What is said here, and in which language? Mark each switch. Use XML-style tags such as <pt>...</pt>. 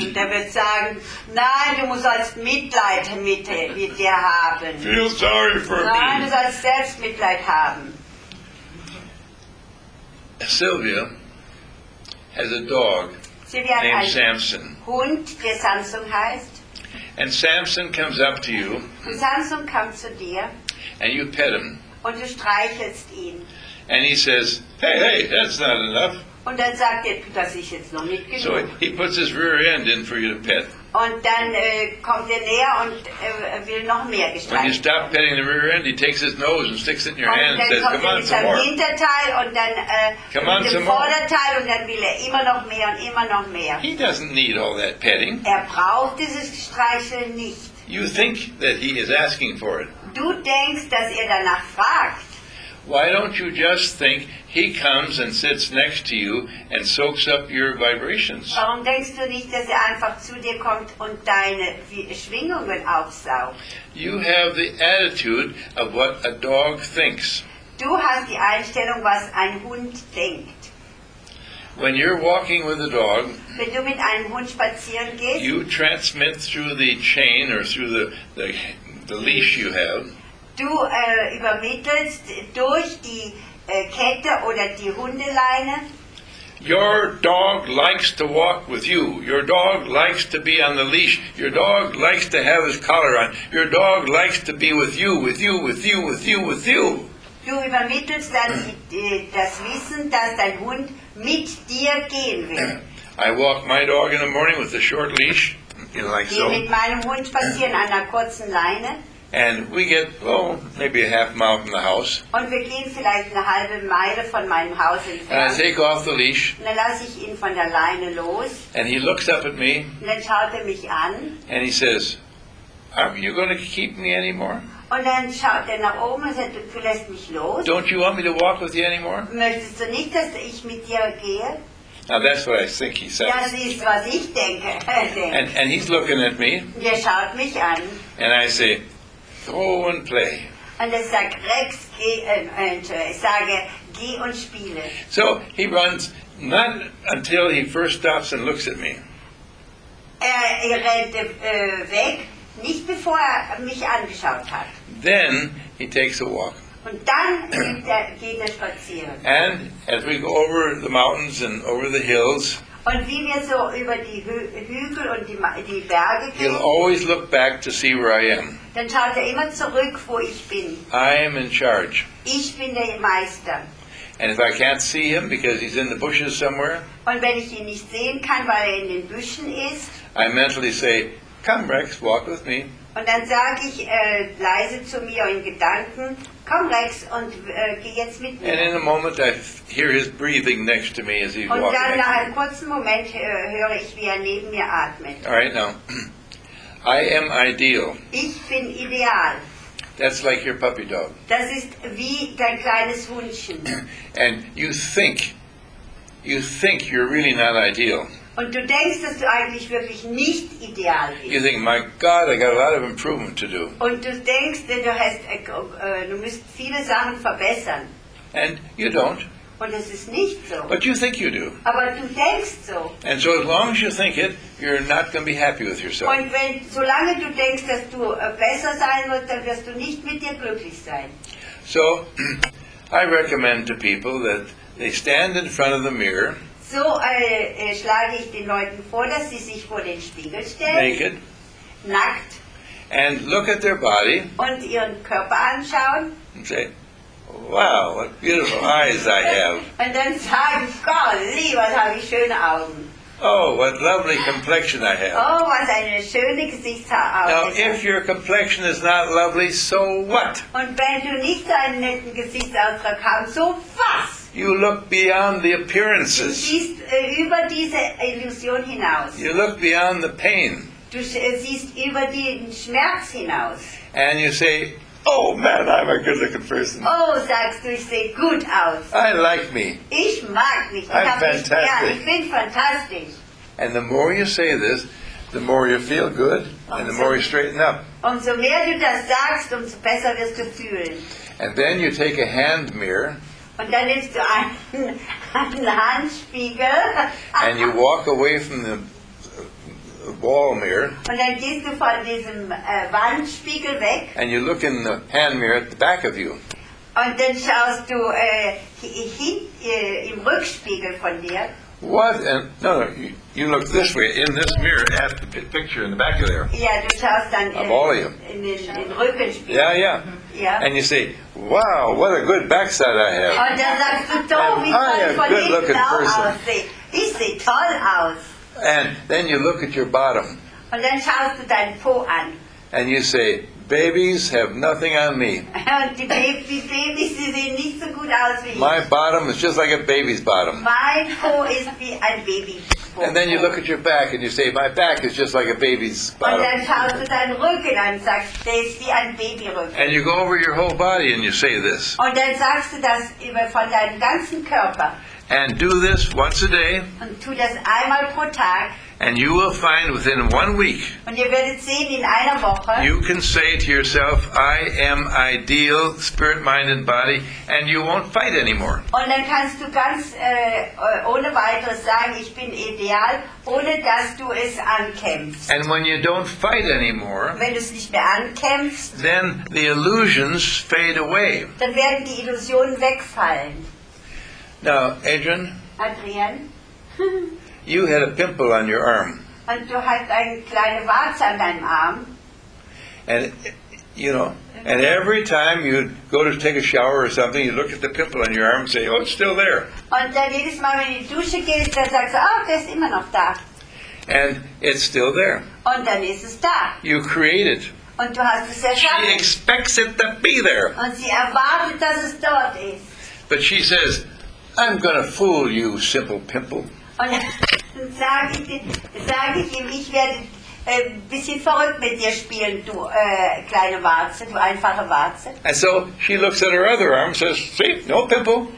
<de>Und er wird sagen, nein, du sollst Mitleid mit dir haben.</de> <en>Feel sorry for</en> <de>nein,</de> <en>me.</en> <de>Nein, du sollst selbst Mitleid haben.</de> <en>Sylvia has a dog named Samson.</en> <de>Hund, der Samson heißt.</de> <en>And Samson comes up to you.</en> <de>Und Samson kommt zu dir.</de> <en>And you pet him.</en> <de>Und du streichelst ihn.</de> <en>And he says, hey, hey, that's not enough.</en> <de>Und dann sagt er, das ist jetzt noch nicht genug.</de> <en>So he puts his rear end in for you to pet.</en> <de>Und dann kommt er näher und will noch mehr gestreichelt.</de> <en>When you stop petting the rear end, he takes his nose and sticks it in your</en> <de>und</de> <en>hand and says, come on some more.</en> <de>Hinterteil und dann</de> <en>come on some more.</en> <de>Vorderteil und dann will er immer noch mehr und immer noch mehr.</de> <en>He doesn't need all that petting.</en> <de>Er braucht dieses Streicheln nicht.</de> <en>You think that he is asking for it.</en> <de>Du denkst, dass er danach fragt.</de> <en>Why don't you just think he comes and sits next to you and soaks up your vibrations?</en> <de>Warum denkst du nicht, dass er einfach zu dir kommt und deine Schwingungen aufsaugt?</de> <en>You have the attitude of what a dog thinks.</en> <de>Du hast die Einstellung, was ein Hund denkt.</de> <en>When you're walking with a dog,</en> <de>wenn du mit einem Hund spazieren gehst,</de> <en>you transmit through the chain or through the leash you have.</en> <de>Du übermittelst durch die Kette oder die Hundeleine.</de> <en>Your dog likes to walk with you. Your dog likes to be on the leash. Your dog likes to have his collar on. Your dog likes to be with you, with you, with you, with you, with you.</en> <de>Du übermittelst dann das Wissen, dass dein Hund mit dir gehen will.</de> <en>I walk my dog in the morning with a short leash, you know, like so.</en> <de>Mit meinem Hund spazieren an einer kurzen Leine.</de> <en>And we get, oh, maybe a half mile from the house.</en> <de>Und wir gehen vielleicht eine halbe Meile von meinem Haus entfernt.</de> <en>And I take off the leash.</en> <de>Und dann lasse ich ihn von der Leine los.</de> <en>And he looks up at me.</en> <de>Und dann schaut er mich an.</de> <en>And he says, are you going to keep me anymore?</en> <de>Und dann schaut er nach oben und sagt, du lässt mich los.</de> <en>Don't you want me to walk with you anymore?</en> <de>Möchtest du nicht, dass ich mit dir gehe?</de> <en>Now that's what I think he says.</en> <de>Das ist, was ich denke.</de> <en>And he's looking at me.</en> <de>Und er schaut mich an.</de> <en>And I say, go and play.</en> <de>Und er sagt, Rex, geh und spiele.</de> <en>So he runs, not until he first stops and looks at me.</en> <de>Er rennt weg, nicht bevor er mich angeschaut hat.</de> <en>Then he takes a walk.</en> <de>Und dann geht er spazieren.</de> <en>And as we go over the mountains and over the hills,</en> <de>und wie wir so über die Hügel und die Berge gehen,</de> <en>he'll always look back to see where I am.</en> <de>Dann schaut er immer zurück, wo ich bin.</de> <en>I am in charge.</en> <de>Ich bin der Meister.</de> <en>And if I can't see him because he's in the bushes somewhere,</en> <de>und wenn ich ihn nicht sehen kann, weil er in den Büschen ist,</de> <en>I mentally say, come Rex, walk with me.</en> <de>Und dann sage ich leise zu mir in Gedanken, komm Rex und geh jetzt mit mir.</de> <en>And in a moment I hear his breathing next to me as he's walking.</en> <de>Und dann nach einem kurzen Moment höre ich, wie er neben mir atmet.</de> <en>All right, now. I am ideal.</en> <de>Ich bin ideal.</de> <en>That's like your puppy dog.</en> <de>Das ist wie dein kleines Hundchen.</de> <en>And you think you're really not ideal.</en> <de>Und du denkst, dass du eigentlich wirklich nicht ideal bist.</de> <en>You think, my God, I got a lot of improvement to do.</en> <de>Und du denkst, dass du hast, du musst viele Sachen verbessern.</de> <en>And you don't.</en> <de>Und es ist nicht so.</de> <en>But you think you do.</en> <de>Aber du denkst so.</de> <en>And so as long as you think it, you're not going to be happy with yourself.</en> <de>Und wenn, solange du denkst, dass du besser sein musst, dann wirst du nicht mit dir glücklich sein.</de> <en>So, I recommend to people that they stand in front of the mirror.</en> <de>So schlage ich den Leuten vor, dass sie sich vor den Spiegel stellen.</de> <en>Naked.</en> <de>Nackt.</de> <en>And look at their body.</en> <de>Und ihren Körper anschauen.</de> <en>And say, wow, what beautiful eyes I have.</en> <de>Und dann sagen, golly, was habe ich schöne Augen.</de> <en>Oh, what lovely complexion I have.</en> <de>Oh, was eine schöne Gesichtshaut.</de> <en>Now, if your complexion is not lovely, so what?</en> <de>Und wenn du nicht einen netten Gesichtsausdruck hast, so was?</de> <en>You look beyond the appearances.</en> <de>Du siehst über diese Illusion hinaus.</de> <en>You look beyond the pain.</en> <de>Du siehst über den Schmerz hinaus.</de> <en>And you say, oh man, I'm a good-looking person.</en> <de>Oh, sagst du, ich sehe gut aus.</de> <en>I like me.</en> <de>Ich mag mich.</de> <en>I'm fantastic.</en> <de>Ich bin fantastisch.</de> <en>And the more you say this, the more you feel good, and the more you straighten up.</en> <de>Umso mehr du das sagst, umso besser wirst du fühlen.</de> <en>And then you take a hand mirror.</en> <de>Und dann nimmst du einen Handspiegel.</de> <en>And you walk away from the wall mirror.</en> <de>Und dann gehst du von diesem Wandspiegel weg.</de> <en>And you look in the hand mirror at the back of you.</en> <de>Und dann schaust du im Rückspiegel von dir.</de> <en>What? You look this way in this mirror at the picture in the back of there.</en> <de>Yeah, du schaust dann</de> <en>of all of you.</en> <de>In Rückenspiegel.</de> <en>Yeah, yeah. Yeah. And you say, wow, what a good backside I have.</en> <de>Und dann sagst du, toll,</de> <en>and I am a good looking person.</en> <de>Ich sehe toll aus.</de> <en>And then you look at your bottom.</en> <de>Und dann schaust du deinen Po an.</de> <en>And you say, babies have nothing on me.</en> <de>Die Babys sehen nicht so gut aus wie ich.</de> <en>My bottom is just like a baby's bottom.</en> <de>Mein Po ist wie ein Baby.</de> <en>And then you look at your back and you say, my back is just like a baby's bottom.</en> <de>Und dann schaust du deinen Rücken an und sagst, der ist wie ein Babyrücken.</de> <en>And you go over your whole body and you say this.</en> <de>Und dann sagst du das über von deinem ganzen Körper.</de> <en>And do this once a day.</en> <de>Und tu das einmal pro Tag.</de> <en>And you will find within 1 week.</en> <de>Und ihr werdet sehen, in einer Woche.</de> <en>You can say to yourself, I am ideal, spirit, mind, and body, and you won't fight anymore.</en> <de>Und dann kannst du ganz ohne weiteres sagen, ich bin ideal, ohne dass du es ankämpfst.</de> <en>And when you don't fight anymore,</en> <de>wenn du es nicht mehr ankämpfst,</de> <en>then the illusions fade away.</en> <de>Dann werden die Illusionen wegfallen.</de> <en>Now, Adrian.</en> <de>Adrian.</de> <en>You had a pimple on your arm.</en> <de>Und du hast eine kleine Warze an deinem Arm.</de> <en>And you know, and every time you go to take a shower or something, you look at the pimple on your arm and say, "Oh, it's still there."</en> <de>Und dann jedes Mal, wenn du in die Dusche gehst, dann sagst du, "Oh, der ist immer noch da."</de> <en>And it's still there.</en> <de>Und dann ist es da.</de> <en>You create it.</en> <de>Und du hast es erschaffen.</de> <en>She expects it to be there.</en> <de>Und sie erwartet, dass es dort ist.</de> <en>But she says, "I'm going to fool you, simple pimple."</en> <de>Und dann sag ich ihm, ich werde ein bisschen verrückt mit dir spielen, du kleine Warze, du einfache Warze.</de> <en>And so she looks at her other arm and says, see, no pimple.</en>